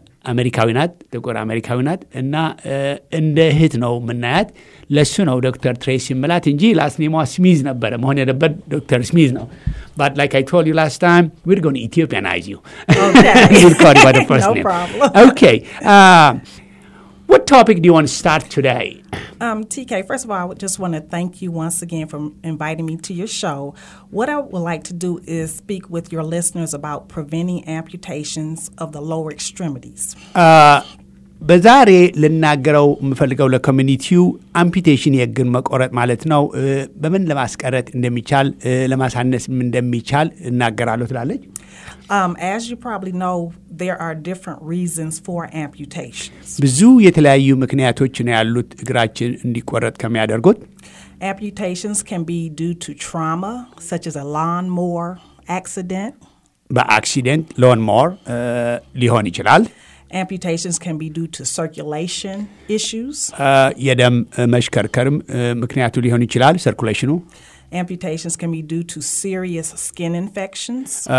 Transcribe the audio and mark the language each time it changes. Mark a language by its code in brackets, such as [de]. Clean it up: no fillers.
[am] አሜሪካዊናት ተቆራ አሜሪካዊናት እና እንደ ህት ነው ምናያት። ለሱ ነው ዶክተር ትሬሲ ምላት እንጂ ላስት ኔሟ ስሚዝ ነበር መሆን ያለበት ዶክተር ስሚዝ ነው። [en] But like I told you last time, we're going to Ethiopianize you. Okay. You're called by the first no name. No problem. Okay. What topic do you want to start today? TK, first of all, I just want to thank you once again for inviting me to your show. What I would like to do is speak with your listeners about preventing amputations of the lower extremities. [am] በዛሬ ልናገረው የምፈልገው ለኮሚኒቲው አምፒቴሽን የእግር መቆረጥ ማለት ነው፣ በምን ለማስቀረት እንደሚቻል ለማሳነስም እንደሚቻል እናገራለሁ ትላለች። [en] As you probably know, there are different reasons for amputations. [am] ብዙ የተለያዩ ምክንያቶች ነው ያሉት እግራችን እንዲቆረጥ ከሚያደርጉት። [en] Amputations can be due to trauma, such as a lawnmower accident. [am] በአክሲደንት lawnmower ሊሆን ይችላል። [en] Amputations can be due to circulation issues. [am] የደም መሽከርከርም ምክንያቱ ሊሆን ይችላል circulationu. [en] Amputations can be due to serious skin infections.